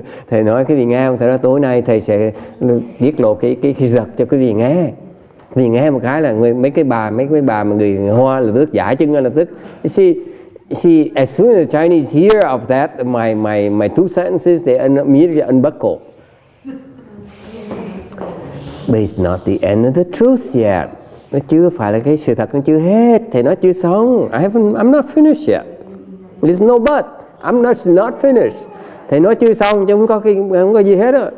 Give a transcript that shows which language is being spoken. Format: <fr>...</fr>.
<vi>Thầy nói quý vị nghe không? Thầy nói tối nay thầy sẽ tiết lộ cái giật cho quý vị nghe. Quý vị nghe một cái là mấy cái bà mà người Hoa là tức giải chứng ngay lập tức.</vi> <en>See, as soon as Chinese hear of that, my two sentences, they immediately unbuckle. But it's not the end of the truth yet.</en> <vi>Nó chưa phải là cái sự thật, nó chưa hết. Thầy nói chưa xong.</vi> <en>I'm not finished yet. There's no but. I'm not finished.</en> <vi>Thầy nói chưa xong chứ không có gì hết á.</vi>